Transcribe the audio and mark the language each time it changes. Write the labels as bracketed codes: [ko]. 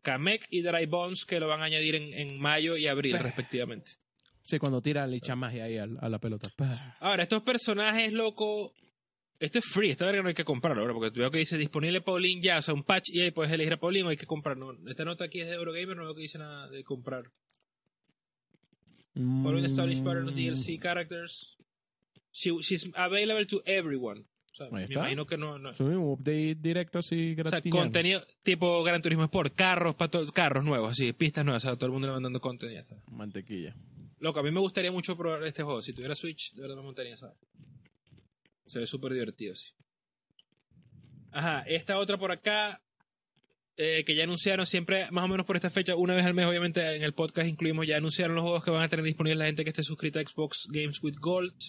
[es] Kamek y Dry Bones, que lo van a añadir en mayo y abril, respectivamente. Sí, cuando tira el Lichan Magia ahí a la pelota. Ahora, estos personajes, loco, esto es free, esta verga no hay que comprarlo, ¿verdad? Porque veo que dice disponible Pauline ya, o sea, un patch y ahí puedes elegir a Pauline o hay que comprar. No, esta nota aquí es de Eurogamer, no veo que dice nada de comprar. [en] Pauline Established Pattern of DLC Characters. She's available to everyone. [es] O sea, ahí me está. Imagino que no. Un update directo así gratis. O sea, contenido tipo Gran Turismo Sport, carros nuevos, así, pistas nuevas, o sea, todo el mundo le mandando contenido. Está. Mantequilla. Loco, a mí me gustaría mucho probar este juego. Si tuviera Switch, de verdad lo montaría, ¿sabes? Se ve súper divertido, sí. Ajá, esta otra por acá, que ya anunciaron siempre, más o menos por esta fecha, una vez al mes, obviamente, en el podcast incluimos, ya anunciaron los juegos que van a tener disponibles la gente que esté suscrita a Xbox Games with Gold.